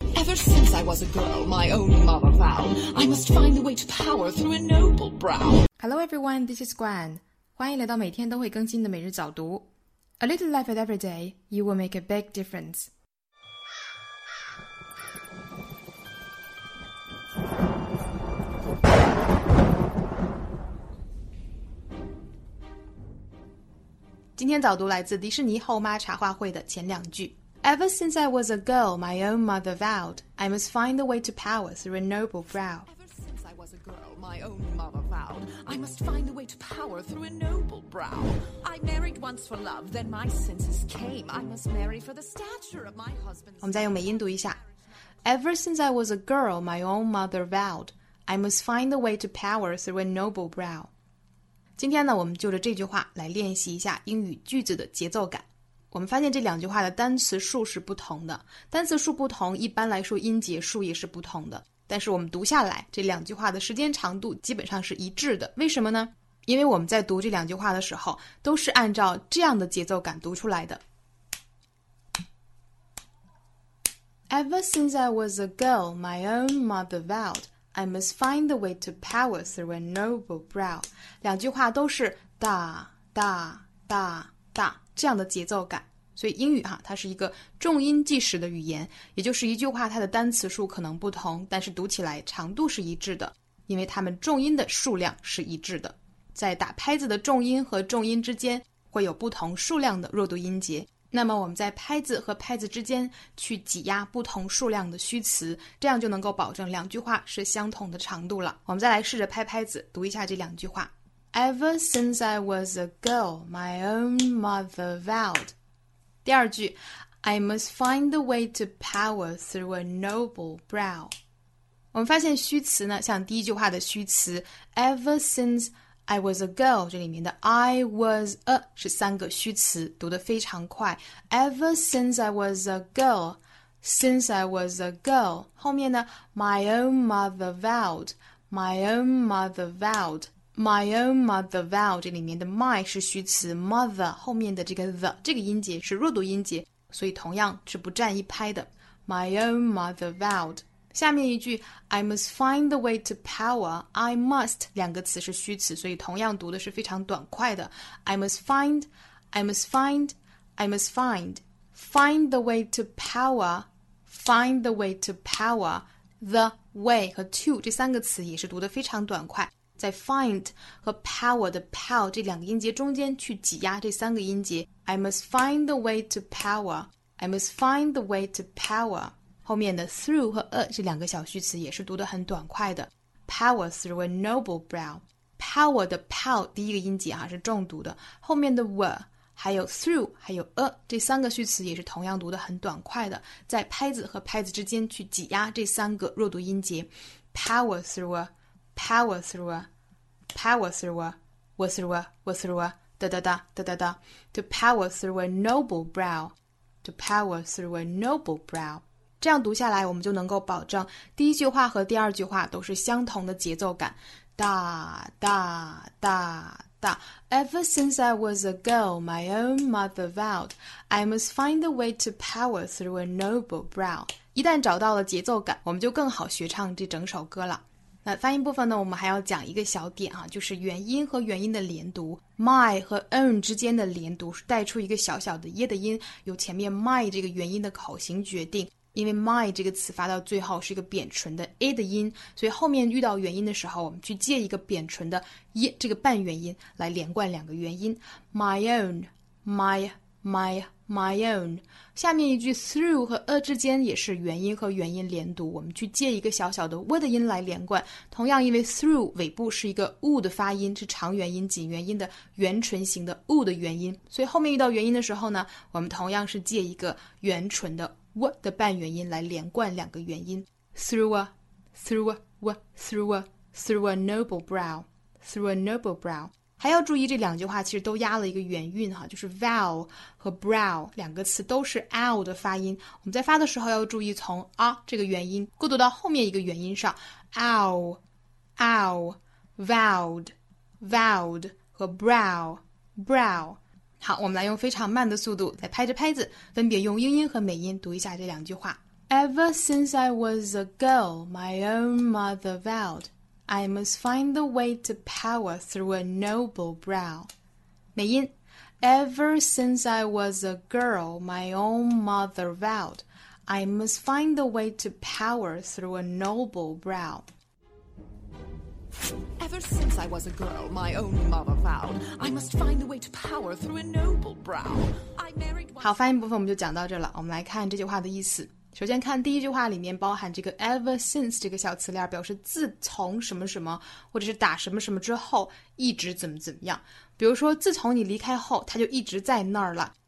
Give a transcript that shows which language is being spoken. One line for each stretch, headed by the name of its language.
English: since I was a girl, my own mother found. I must find the way to power through a noble brow. Hello everyone, this is Gwen.
Chinese: 欢迎来到每天都会更新的每日早读。
English: A little life at every day, you will make a big difference.
Chinese: 今天早读来自迪士尼后妈茶话会的前两句。
English: Ever since I was a girl, my own mother vowed, I must find the way to power through a noble brow. Ever since I was a girl, my own mother vowed, I must find the way to power through a noble brow. I married once for love, then my senses came. I must marry for the stature of my husband.
Chinese: 我们再用美音读一下。
English: Ever since I was a girl, my own mother vowed, I must find the way to power through a noble brow.
Chinese: 今天呢，我们就着这句话来练习一下英语句子的节奏感。我们发现这两句话的单词数是不同的，单词数不同，一般来说音节数也是不同的。但是我们读下来，这两句话的时间长度基本上是一致的。为什么呢？因为我们在读这两句话的时候，都是按照这样的节奏感读出来的。
English: Ever since I was a girl, my own mother vowed. I must find the way to power through a noble brow.
Chinese: 两句话都是哒哒哒哒这样的节奏感。所以英语它是一个重音计时的语言，也就是一句话它的单词数可能不同，但是读起来长度是一致的，因为它们重音的数量是一致的。在打拍子的重音和重音之间会有不同数量的弱读音节，那么我们在拍子和拍子之间去挤压不同数量的虚词，这样就能够保证两句话是相同的长度了。我们再来试着拍拍子读一下这两句话。
English: Ever since I was a girl, my own mother vowed.
Chinese: 第二句，
English: I must find the way to power through a noble brow.
Chinese: 我们发现虚词呢，像第一句话的虚词
English: Ever since I was a girl,
Chinese: 这里面的
English: I was a
Chinese: 是三个虚词，读得非常快。
English: Ever since I was a girl, since I was a girl.
Chinese: 后面呢
English: my own mother vowed, my own mother vowed, my own mother vowed.
Chinese: 这里面的 my 是虚词 ,mother, 后面的这个 the, 这个音节是弱读音节，所以同样是不占一拍的。
English: My own mother vowed.
Chinese: 下面一句
English: I must find the way to power, I must,
Chinese: 两个词是虚词，所以同样读的是非常短快的。
English: I must find, I must find, I must find, find the way to power, find the way to power, the way
Chinese: 和 to 这三个词也是读的非常短快。在 find 和 power 的 pow 这两个音节中间去挤压这三个音节。
English: I must find the way to power, I must find the way to power.
Chinese: 后面的 through 和 a 这两个小虚词也是读得很短快的。
English: Power through a noble brow.
Chinese: Power 的 pow 第一个音节是重读的。后面的 were, 还有 through, 还有 a 这三个虚词也是同样读得很短快的。在拍子和拍子之间去挤压这三个弱读音节。
English: Power through a, power through a, power through a, was through a, was through a, 哒哒哒哒哒哒。 To power through a noble brow. To power through a noble brow.
Chinese: 这样读下来，我们就能够保证第一句话和第二句话都是相同的节奏感。哒哒哒哒。
English: Ever since I was a girl, my own mother vowed, I must find the way to power through a noble brow.
Chinese: 一旦找到了节奏感，我们就更好学唱这整首歌了。那发音部分呢，我们还要讲一个小点啊，就是元音和元音的连读。 My 和 own 之间的连读是带出一个小小的耶的音，由前面 my 这个元音的口型决定。因为 my 这个词发到最后是一个扁唇的 a 的音，所以后面遇到元音的时候，我们去借一个扁唇的 y 这个半元音来连贯两个元音。
English: My own, my, my, my own。
Chinese: 下面一句 through 和 a 之间也是元音和元音连读，我们去借一个小小的 w 的音来连贯。同样因为 through 尾部是一个 u 的发音，是长元音紧元音的圆唇型的 u 的元音，所以后面遇到元音的时候呢，我们同样是借一个圆唇的What 的半元音来连贯两个元音
English: through a, through a, what, through a, through a noble brow, through a noble brow.
Chinese: 还要注意这两句话其实都压了一个元韵哈，就是 vowel 和 brow 两个词都是 l 的发音。我们在发的时候要注意从 a 这个元音过渡到后面一个元音上
English: ，ow, ow, vowed, vowed 和 brow, brow.
Chinese: 好，我们来用非常慢的速度，再拍着拍子，分别用英音和美音读一下这两句话。
English: Ever since I was a girl, my own mother vowed, I must find the way to power through a noble brow.
Chinese: 美音
English: Ever since I was a girl, my own mother vowed, I must find the way to power through a noble brow. Ever since I was a girl, my own mother vowed, I must find the way to power through a noble brow. I married
Chinese: one... 好，发音部分我们就讲到这了，我们来看这句话的意思。首先看第一句话里面包含这个 ever since 这个小词链，表示自从什么什么或者是打什么什么之后一直怎么怎么样。比如说自从你离开后他就一直在那儿了。